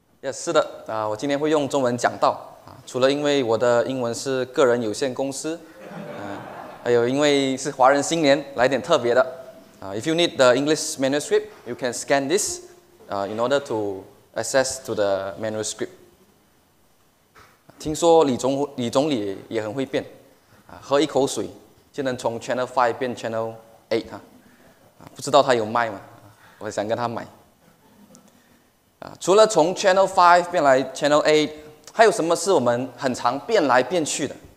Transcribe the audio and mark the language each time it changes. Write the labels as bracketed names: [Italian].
[Chinese] 是的，我今天会用中文讲道啊，除了因为我的英文是个人有限公司，还有因为是华人新年，来点特别的啊。 [English] If you need the English manuscript, you can scan this, in order to access to the manuscript. [Chinese] 听说李总理也很会变，喝一口水就能从 Channel 5变 Channel 8哈，不知道他有卖吗？我想跟他买。除了从 Channel 5变来 Channel 8，还有什么是我们很常变来变去的？